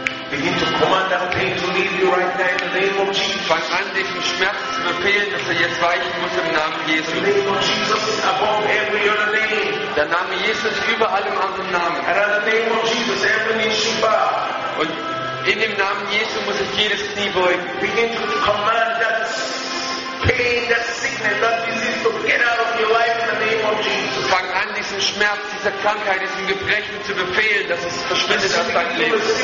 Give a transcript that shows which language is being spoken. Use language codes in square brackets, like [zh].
[en] Begin to command that pain to leave you right now in the name of Jesus. [de] Fang an, diesen Schmerz zu befehlen, dass jetzt weichen muss im Namen Jesu. [en] The name of Jesus is above every other name. [de] Der Name Jesus über allem anderen Namen. [en] And in the name of Jesus, every knee shall bow. [de] Und in dem Namen Jesu muss ich jedes Knie beugen. [en] Begin to command that pain, that sickness, that disease to get out of your life in the name of Jesus. [de] Fang an, diesen Schmerz, dieser Krankheit, diesen Gebrechen zu befehlen, dass es verschwindet aus deinem Leben.